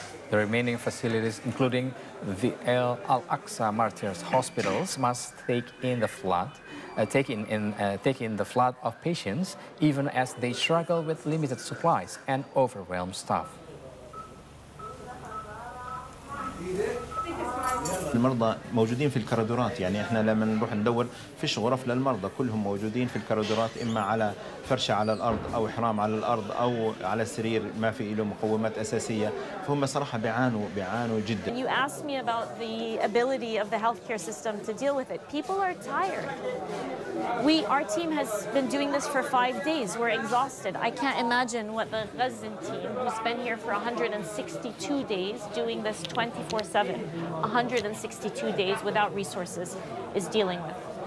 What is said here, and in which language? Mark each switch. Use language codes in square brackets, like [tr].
[en] The remaining facilities, including the Al-Aqsa Martyrs Hospitals, must take in the flood of patients, even as they struggle with limited supplies and overwhelmed staff. [ar] المرضى موجودين في الكرادورات يعني احنا لما نروح ندور فيش غرف للمرضى كلهم موجودين في الكرادورات اما على فرشة على الارض او حرام على الارض او على سرير ما في له مقومات اساسية فهم صراحة بيعانوا جدا. [en] You asked me about the ability of the healthcare system to deal with it. People are tired. Our team has been doing this for 5 days. We're exhausted. I can't imagine what the Gazan team, who's been here for 162 days doing this 24/7, 162 days without resources, is dealing with.